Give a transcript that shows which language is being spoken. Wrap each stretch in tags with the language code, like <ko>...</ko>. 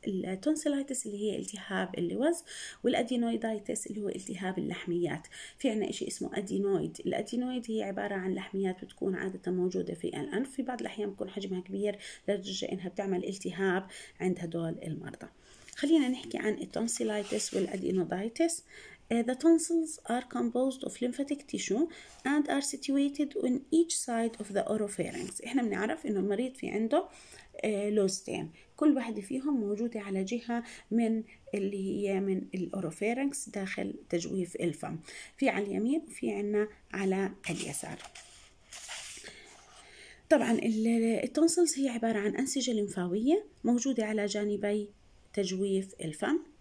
<ar>التونسيلايتس اللي هي التهاب اللوز، والادينويدايتس اللي هو التهاب اللحميات. في عنا شيء اسمه ادينويد، الادينويد هي عباره عن لحميات بتكون عاده موجوده في الانف، في بعض الاحيان بيكون حجمها كبير لدرجه انها بتعمل التهاب عند هدول المرضى. خلينا نحكي عن التونسيلايتس والأدينوديتس.</ar> <en>The tonsils are composed of lymphatic tissue and are situated on each side of the oropharynx.</en> <ar>إحنا بنعرف إنه المريض في عنده لوزتين، كل واحدة فيهم موجودة على جهة من اللي هي من الأوروفيرنكس داخل تجويف الفم، في على اليمين وفي عنا على اليسار. طبعا التونسيلز هي عبارة عن أنسجة لمفاوية موجودة على جانبي تجويف الفم.</ar>